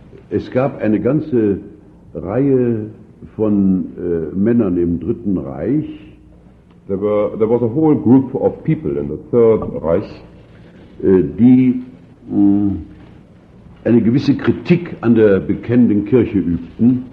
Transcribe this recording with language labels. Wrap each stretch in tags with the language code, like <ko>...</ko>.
<de>Es gab eine ganze Reihe von Männern im Dritten Reich.</de> <en>There was a whole group of people in the Third Reich,</en> <de>die eine gewisse Kritik an der bekennenden Kirche übten,</de>